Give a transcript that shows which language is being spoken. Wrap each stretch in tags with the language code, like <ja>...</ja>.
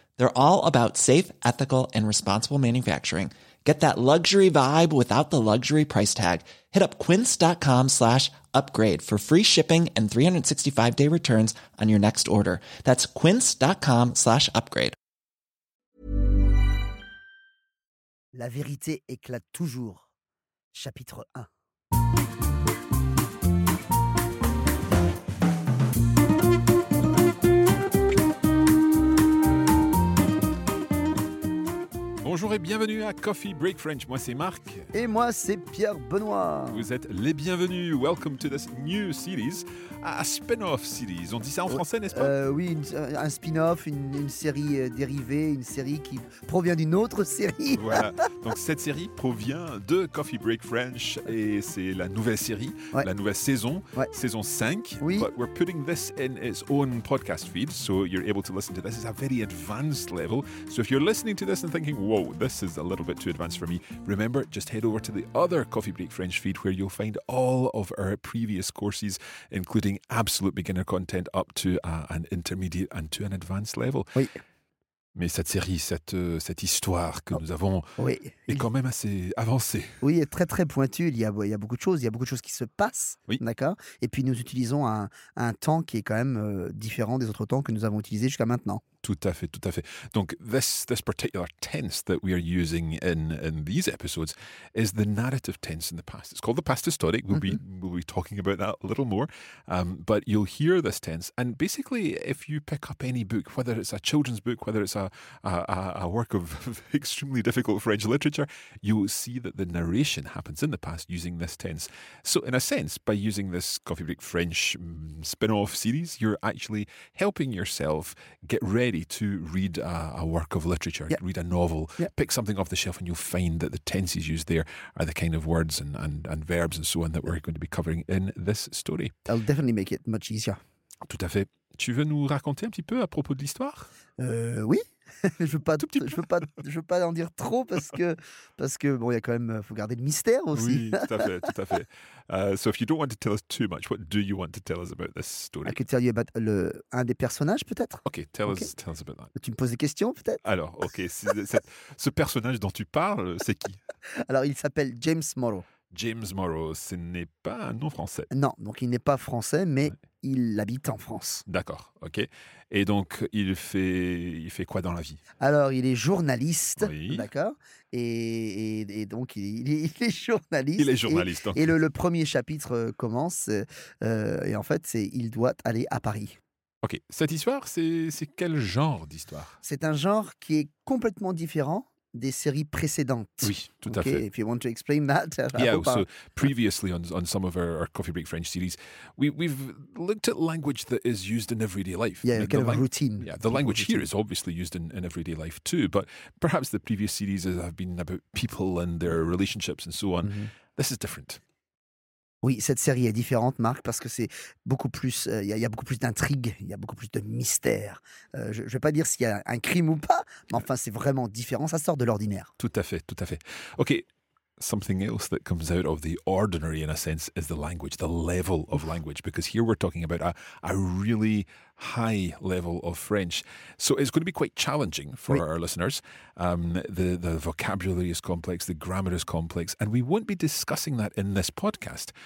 <en>They're all about safe, ethical, and responsible manufacturing. Get that luxury vibe without the luxury price tag. Hit up quince.com/upgrade for free shipping and 365-day returns on your next order. That's quince.com/upgrade.</en> <fr>La vérité éclate toujours. Chapitre 1. Bonjour et bienvenue à Coffee Break French. Moi, c'est Marc. Et moi, c'est Pierre Benoît. Vous êtes les bienvenus.</fr> <en>Welcome to this new series, a spin-off series.</en> <fr>On dit ça en français, n'est-ce pas? Oui, un spin-off, une série dérivée, une série qui provient d'une autre série. Voilà. Donc, cette série provient de Coffee Break French et c'est la nouvelle série, ouais. La nouvelle saison, ouais. Saison 5. Oui.</fr> <en>But we're putting this in its own podcast feed, so you're able to listen to this. It's a very advanced level. So if you're listening to this and thinking, whoa, this is a little bit too advanced for me. Remember, just head over to the other Coffee Break French feed where you'll find all of our previous courses, including absolute beginner content up to an intermediate and to an advanced level.</en> <fr>Oui. Mais cette série, cette histoire que nous avons oui. est quand même assez avancée. Oui, est très très pointue. Il y a beaucoup de choses. Il y a beaucoup de choses qui se passent. Oui. D'accord. Et puis nous utilisons un temps qui est quand même différent des autres temps que nous avons utilisés jusqu'à maintenant. Tout à fait, tout à fait.</fr> <en>Donc, this particular tense that we are using in these episodes is the narrative tense in the past. It's called the past historic. We'll be talking about that a little more. But you'll hear this tense. And basically, if you pick up any book, whether it's a children's book, whether it's a work of extremely difficult French literature, you will see that the narration happens in the past using this tense. So, in a sense, by using this Coffee Break French spin-off series, you're actually helping yourself get ready to read a work of literature, yep. read a novel, yep. pick something off the shelf and you'll find that the tenses used there are the kind of words and verbs and so on that we're going to be covering in this story. That'll definitely make it much easier.</en> <fr>Tout à fait. Tu veux nous raconter un petit peu à propos de l'histoire? Oui. je veux pas en dire trop parce que bon, il y a quand même, faut garder le mystère aussi. Oui, tout à fait, tout à fait.</fr> <en>So if you don't want to tell us too much, what do you want to tell us about this story? I could tell you about</en> <fr>un des personnages peut-être.</fr> <en>Okay, tell us about that.</en> <fr>Tu me poses des questions peut-être. Alors, okay, ce personnage dont tu parles, c'est qui? Alors, il s'appelle James Morrow. James Morrow, ce n'est pas un nom français. Non, donc il n'est pas français, mais ouais. il habite en France. D'accord, ok. Et donc, il fait quoi dans la vie? Alors, il est journaliste, oui. d'accord. Et donc, il est journaliste. Il est journaliste. Et le premier chapitre commence, et en fait, il doit aller à Paris. Ok, cette histoire, c'est quel genre d'histoire? C'est un genre qui est complètement différent des séries précédentes. Oui, tout à</fr> <en>okay,</en> <fr>fait.</fr> <en>If you want to explain that. Yeah, so previously on some of our Coffee Break French series, we've looked at language that is used in everyday life. Yeah, like kind of a routine. Yeah, the language routine. Here is obviously used in everyday life too, but perhaps the previous series have been about people and their relationships and so on. Mm-hmm. This is different.</en> <fr>Oui, cette série est différente, Marc, parce que c'est beaucoup plus. Il y a beaucoup plus d'intrigue, il y a beaucoup plus de mystère. Je ne vais pas dire s'il y a un crime ou pas, mais enfin, c'est vraiment différent. Ça sort de l'ordinaire. Tout à fait, tout à fait. Okay.</fr> <en>Something else that comes out of the ordinary, in a sense, is the language, the level of language, because here we're talking about a really high level of French. So it's going to be quite challenging for oui. our listeners. The vocabulary is complex, the grammar is complex, and we won't be discussing that in this podcast.</en>